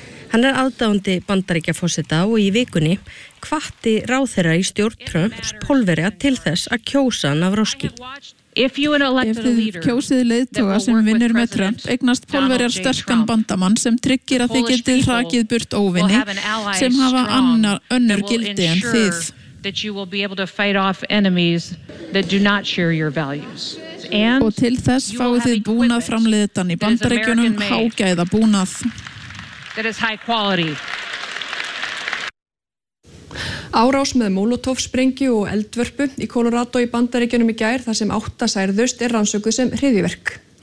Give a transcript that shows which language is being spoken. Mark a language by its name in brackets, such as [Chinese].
[Icelandic] Hann aðdáandi Bandaríkjaforseta og í vikunni hvatti ráðherra í stjórn Trumps Pólverja til þess að kjósa Navrotski. Ef þið kjósið leiðtoga sem vinnur með Trump, eignast Pólverjar sterkan bandamann sem tryggir að þið getið hrakið burt óvinni sem hafa annar önnur gildi en þið. [English] That you will be able to fight off enemies that do not share your values. [Icelandic] And og til þess fáið þið búnað framleiðtan í Bandaríkjunum hágæða búnað. [English] That is high quality. [Icelandic] Árás með molotofsprengju og eldvörpu í Colorado í Bandaríkjunum í gær þar sem átta særðust rannsökuð sem hryðjuverk.